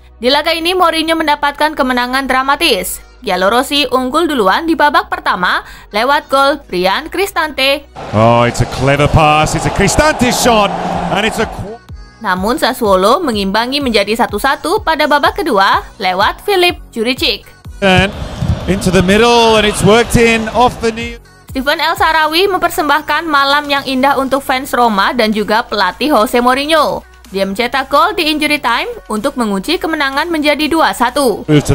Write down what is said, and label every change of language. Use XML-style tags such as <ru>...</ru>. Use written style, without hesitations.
<id>Di laga ini, Mourinho mendapatkan kemenangan dramatis. Giallorossi unggul duluan di babak pertama lewat gol Brian Cristante.</id> <en>Oh, it's a clever pass. It's a Cristante shot. And it's a...</en> <id>Namun, Sassuolo mengimbangi menjadi 1-1 pada babak kedua lewat Filip Juricic.</id> <en>And into the middle and it's worked in off the knee.</en> <id>Steven El Sarawi mempersembahkan malam yang indah untuk fans Roma dan juga pelatih Jose Mourinho. Dia mencetak gol di injury time untuk mengunci kemenangan menjadi 2-1.</id>